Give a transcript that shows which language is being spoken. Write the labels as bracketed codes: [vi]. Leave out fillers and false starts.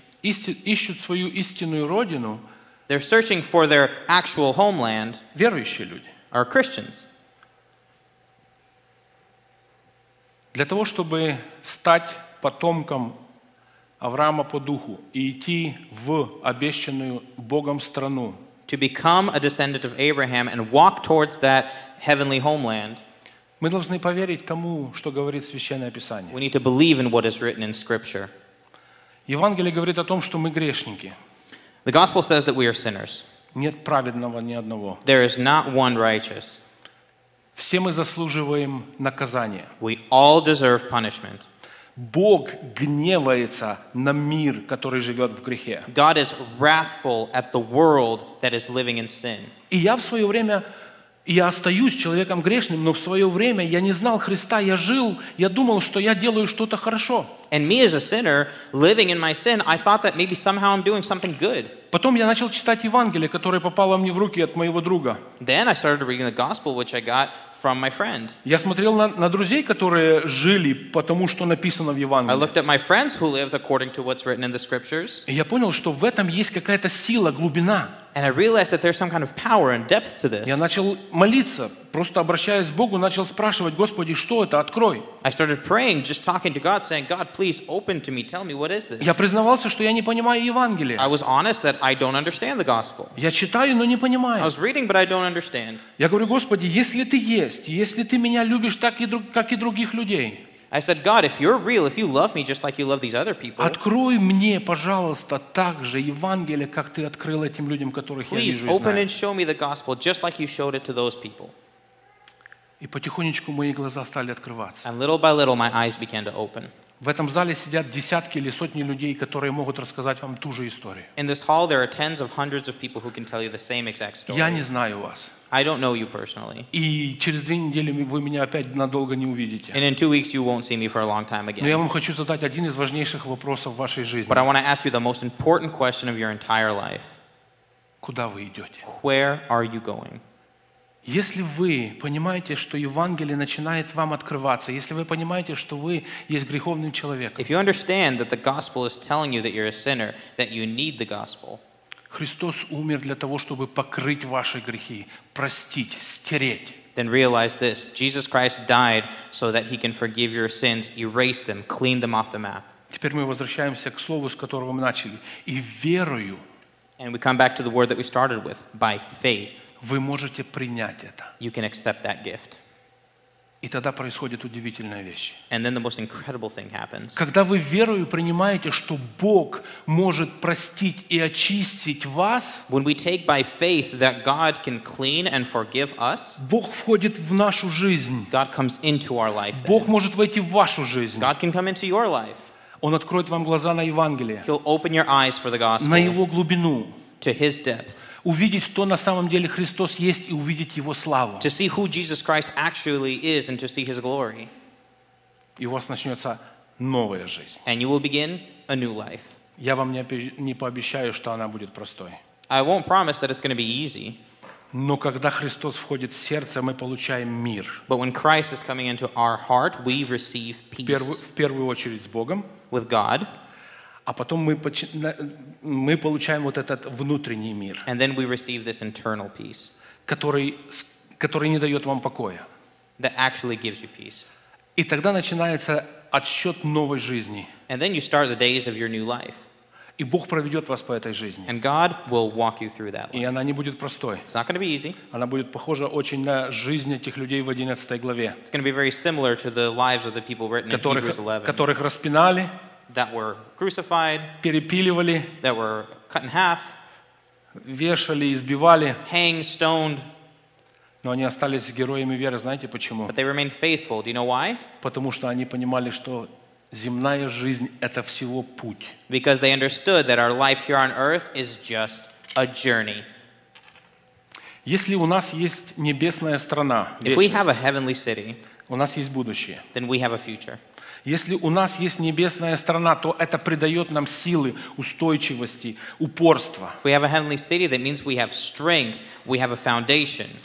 [ru] ищут свою истинную родину, [en] they're searching for their actual homeland, [ru] верующие люди, [en] are Christians. [ru] Для того, чтобы стать потомком Авраама по духу и идти в обещанную Богом страну. [en] To become a descendant of Abraham and walk towards that heavenly homeland. [ru] Мы должны поверить тому, что говорит Священное Писание. [en] We need to believe in what is written in Scripture. [ru] Евангелие говорит о том, что мы грешники. [en] The Gospel says that we are sinners. [ru] Нет праведного ни одного. [en] There is not one righteous. [ru] Все мы заслуживаем наказания. [en] We all deserve punishment. [ru] Бог гневается на мир, который живет в грехе. [en] God is wrathful at the world that is living in sin. [ru] И я в свое время, я остаюсь человеком грешным, но в свое время я не знал Христа, я жил, я думал, что я делаю что-то хорошо. [en] And me as a sinner, living in my sin, I thought that maybe somehow I'm doing something good. [ru] Потом я начал читать Евангелие, которое попало мне в руки от моего друга. [en] Then I started reading the gospel, which I got from my friend. [ru] Я смотрел на друзей, которые жили, потому что написано в Евангелии. [en] I looked at my friends who lived according to what's written in the scriptures. [ru] И я понял, что в этом есть какая-то сила, глубина. [en] And I realized that there's some kind of power and depth to this. [ru] Я начал молиться, просто обращаясь к Богу, начал спрашивать, Господи, что это? Открой. [en] I started praying, just talking to God, saying, God, please open to me, tell me, what is this? [ru] Я признавался, что я не понимаю Евангелие. [en] I was honest that I don't understand the gospel. [ru] Я читаю, но не понимаю. [en] I was reading, but I don't understand. [ru] Я говорю, Господи, если ты есть, если ты меня любишь так, как и других людей, [en] I said, God, if you're real, if you love me just like you love these other people, [ru] открой мне, пожалуйста, так же Евангелие, как ты открыл этим людям, которых я вижу и знаю. [en] Please open and show me the gospel just like you showed it to those people. [ru] И потихонечку мои глаза стали открываться. [en] And little by little my eyes began to open. [ru] В этом зале сидят десятки или сотни людей, которые могут рассказать вам ту же историю. [en] In this hall there are tens of hundreds of people who can tell you the same exact story. [ru] Я не знаю вас. [en] I don't know you personally. [ru] И через 2 недели вы меня опять надолго не увидите. [en] And in 2 weeks you won't see me for a long time again. [ru] Но я вам хочу задать один из важнейших вопросов в вашей жизни. [en] But I want to ask you the most important question of your entire life. [ru] Куда вы идете? [en] Where are you going? [ru] Если вы понимаете, что Евангелие начинает вам открываться, если вы понимаете, что вы есть греховным человеком, [en] if you understand that the gospel is telling you that you're a sinner, that you need the gospel, [ru] Христос умер для того, чтобы покрыть ваши грехи, простить, стереть. [en] Then realize this: Jesus Christ died so that He can forgive your sins, erase them, clean them off the map. [ru] Теперь мы возвращаемся к слову, с которого мы начали, и верою. [en] And we come back to the word that we started with: by faith. [ru] Вы можете принять это. [en] You can accept that gift. [ru] И тогда происходит удивительная вещь. [en] And then the most incredible thing happens. [ru] Когда вы верою принимаете, что Бог может простить и очистить вас, [en] when we take by faith that God can clean and forgive us, [ru] Бог входит в нашу жизнь. [en] God comes into our life. [ru] Бог может войти в вашу жизнь. [en] God can come into your life. [ru] Он откроет вам глаза на Евангелие. [en] He'll open your eyes for the gospel. [ru] На его глубину. [en] To his depth. [ru] Увидеть, кто на самом деле Христос есть, и увидеть Его славу. [en] To see who Jesus Christ actually is and to see His glory. [ru] И у вас начнется новая жизнь. [en] And you will begin a new life. [ru] Я вам не пообещаю, что она будет простой. [en] I won't promise that it's going to be easy. [ru] Но когда Христос входит в сердце, мы получаем мир. [en] But when Christ is coming into our heart, we receive peace. [ru] В первую очередь с Богом. [en] With God. [ru] А потом мы получаем вот этот внутренний мир, [en] and then we receive this internal peace, [ru] который не дает вам покоя, [en] that actually gives you peace. [ru] И тогда начинается отсчет новой жизни, [en] and then you start the days of your new life. [ru] И Бог проведет вас по этой жизни, [en] and God will walk you through that life. [ru] И она не будет простой, [en] it's not going to be easy. [ru] Она будет похожа очень на жизнь этих людей в 11 главе, [en] it's going to be very similar to the lives of the people written in Hebrews 11, [ru] которых распинали, [en] that were crucified, [ru] перепиливали, [en] that were cut in half, [ru] вешали, избивали, [en] hanged, stoned. [ru] Но они остались героями веры, знаете почему? [en] But they remained faithful. Do you know why? [ru] Потому что они понимали, что земная жизнь это всего путь. [en] Because they understood that our life here on earth is just a journey. [ru] Если у нас есть небесная страна, [en] if we have a heavenly city, [ru] у нас есть будущее, [en] then we have a future. [ru] Если у нас есть небесная страна, то это придает нам силы, устойчивости, упорства. [en] If we have a heavenly city, that means we have strength, we have a foundation.